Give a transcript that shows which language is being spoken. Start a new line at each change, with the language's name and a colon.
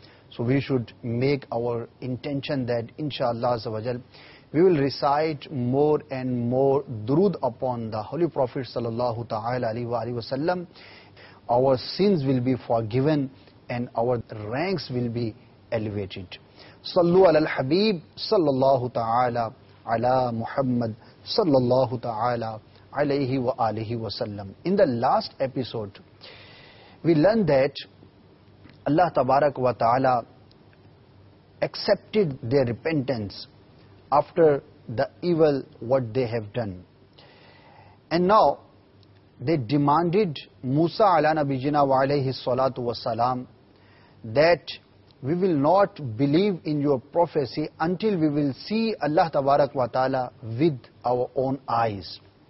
English: So we should make our intention that inshallah azawajal, we will recite more and more Durud upon the Holy Prophet sallallahu ta'ala alayhi wa sallam. Our sins will be forgiven and our ranks will be elevated.
Arabic: صلو علی الحبیب صلی اللہ تعالی علی محمد صلی اللہ تعالی علیہ وآلہ وسلم.
English: In the last episode, we learned that Allah تبارک و تعالی accepted their repentance after the evil what they have done. And now, they demanded Musa علی نبی جنہ و علیہ الصلاة والسلام that we will not believe in your prophecy until we will see Allah tabarak wa ta'ala with our own eyes.